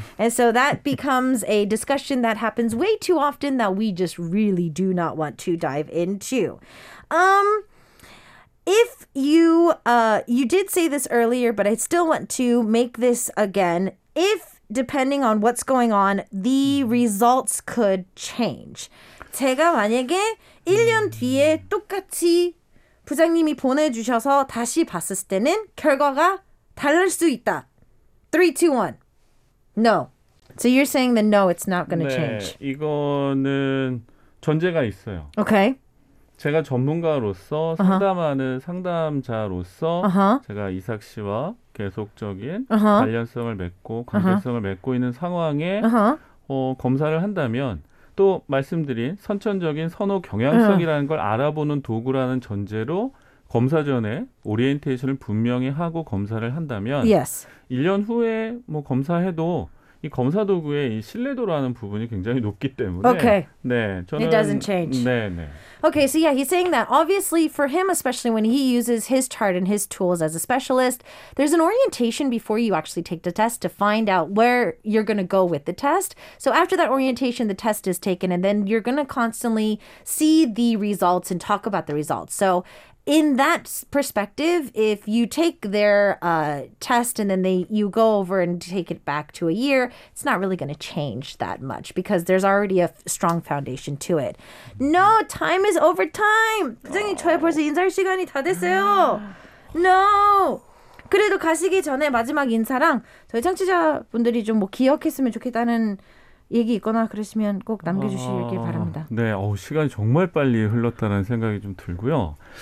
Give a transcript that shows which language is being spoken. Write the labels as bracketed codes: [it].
[en] And so that becomes a discussion that happens way too often that we just really do not want to dive into. If you, you did say this earlier, but I still want to make this again. If, depending on what's going on, the results could change. [ko] 제가 만약에 1년 뒤에 똑같이 부장님이 보내주셔서 다시 봤을 때는 결과가 다를 수 있다. [en] 3, 2, 1. No. So you're saying that no, it's not going to [ko] 네, [en] change. [ko] 이거는 전제가 있어요. [en] Okay. [ko] 제가 전문가로서 상담하는 상담자로서 제가 이삭 씨와 계속적인 관련성을 맺고 관계성을 맺고 있는 상황에 검사를 한다면 또 말씀드린 선천적인 선호 경향성이라는 걸 알아보는 도구라는 전제로 검사 전에 오리엔테이션을 분명히 하고 검사를 한다면 [en] yes. [ko] 1년 후에 뭐 검사해도 이 검사 도구의 이 신뢰도라는 부분이 굉장히 높기 때문에 [en] okay. [ko] 네, 저는 [en] It doesn't change. [ko] 네, 네. [en] Okay, so yeah, he's saying that obviously for him, especially when he uses his chart and his tools as a specialist, there's an orientation before you actually take the test to find out where you're going to go with the test. So after that orientation, the test is taken and then you're going to constantly see the results and talk about the results. So in that perspective, if you take their test and then you go over and take it back to a year, it's not really going to change that much because there's already a strong foundation to it. No, time is over time. [ko] 부장님, 저의 벌써 인사할 시간이 다 됐어요. [en] No. [ko] 그래도 가시기 전에 마지막 인사랑 저희 청취자분들이 좀 뭐 기억했으면 좋겠다는 얘기 있거나 그러시면 꼭 남겨주시길 바랍니다. 네, 시간이 정말 빨리 흘렀다는 생각이 좀 들고요.